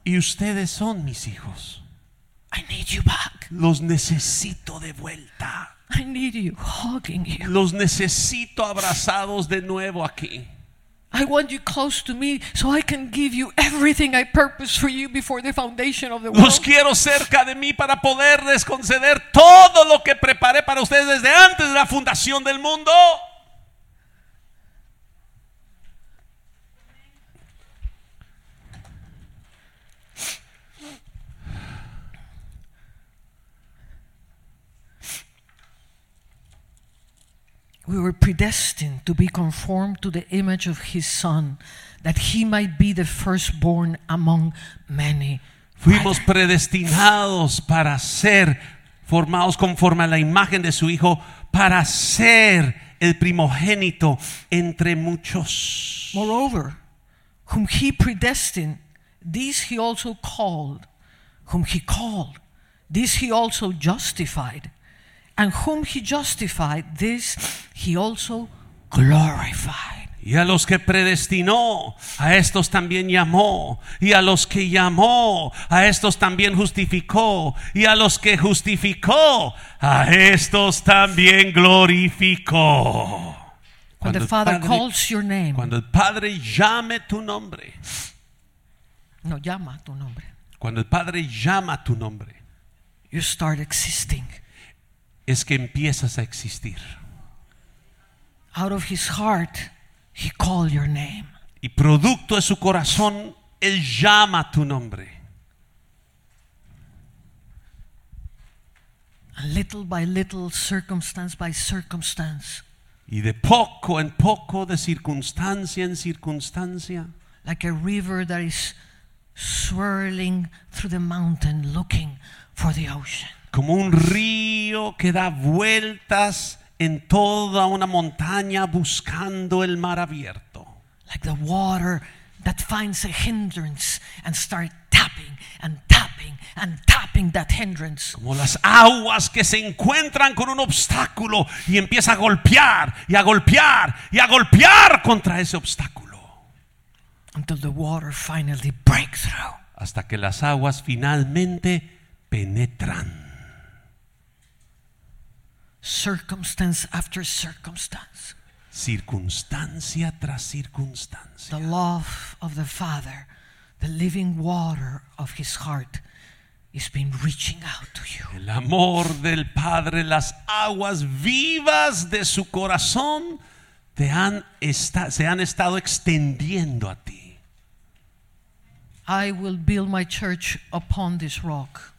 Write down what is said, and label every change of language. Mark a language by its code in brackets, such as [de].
[es] Y ustedes son mis hijos. [en] I need you back. [es] Los necesito de vuelta. [en] I need you hugging you. [es] Los necesito abrazados de nuevo aquí. [en] I want you close to me so I can give you everything I purpose for you before the foundation of the world. [es] Los quiero cerca de mí para poderles conceder todo lo que preparé para ustedes desde antes de la fundación del mundo. [en] We were predestined to be conformed to the image of his son, that he might be the firstborn among many. [es] Fuimos predestinados para ser formados conforme a la imagen de su hijo, para ser el primogénito entre muchos. [en] Moreover, whom he predestined, these he also called. Whom he called, these he also justified. And whom he justified, this he also glorified. [es] Y a los que predestinó, a estos también llamó. Y a los que llamó, a estos también justificó. Y a los que justificó, a estos también glorificó. [en] When the Father calls your name. [es] Cuando el Padre llame tu nombre. No, llama tu nombre. Cuando el Padre llama tu nombre. [en] You start existing. [es] Es que empiezas a existir. [en] Out of his heart, he called your name. [es] Y producto de su corazón, él llama tu nombre. [en] And little by little, circumstance by circumstance. [es] Y de poco en poco, de circunstancia en circunstancia. [en] Like a river that is swirling through the mountain, looking for the ocean. [es] Como un río que da vueltas en toda una montaña buscando el mar abierto. [en] Like the water that finds a hindrance and starts tapping and tapping and tapping that hindrance. [es] Como las aguas que se encuentran con un obstáculo y empieza a golpear y a golpear y a golpear contra ese obstáculo. [en] Until the water finally breaks through. [es] Hasta que las aguas finalmente penetran. [en] Circumstance after circumstance. [es] Circunstancia tras circunstancia. [en] The love of the Father, the living water of his heart, is been reaching out to you. [es] El amor del Padre, las aguas vivas de su corazón, se han estado extendiendo a ti. [en] I will build my church upon this rock.